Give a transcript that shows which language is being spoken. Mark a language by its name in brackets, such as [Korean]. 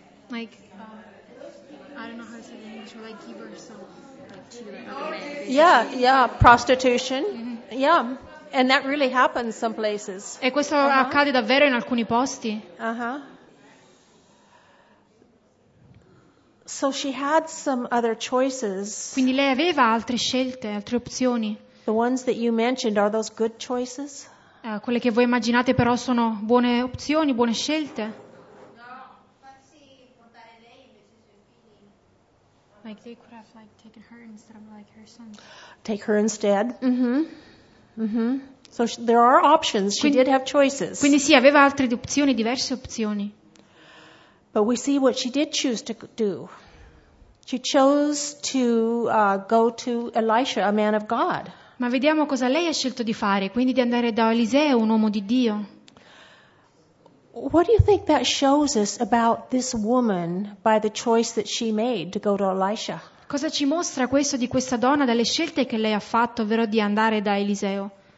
[English] Like, I don't know how to say it in English, like give herself to her. Yeah, prostitution. Mm-hmm. Yeah, and that really happens some places. [Italian] E questo accade davvero in alcuni posti. Uh-huh. [English] So she had some other choices. [Italian] Quindi lei aveva altre scelte, altre opzioni. [English] The ones that you mentioned, are those good choices? [Italian] Quelle che voi immaginate però sono buone opzioni, buone scelte? No, farsi portare lei invece sui figli. [English] Like they could have like taken her instead of like her son. Take her instead. Mm-hmm. So there are options. She did have choices. [Italian] Quindi sì, aveva altre opzioni, diverse opzioni. [English] But we see what she did choose to do. She chose to go to Elisha, a man of God. [Italian] Ma vediamo cosa lei ha scelto di fare, quindi di andare da Eliseo, un uomo di Dio. [English] What do you think that shows us about this woman by the choice that she made to go to Elisha? [Italian] Cosa ci mostra questo di questa donna dalle scelte che lei ha fatto, ovvero di andare da Eliseo?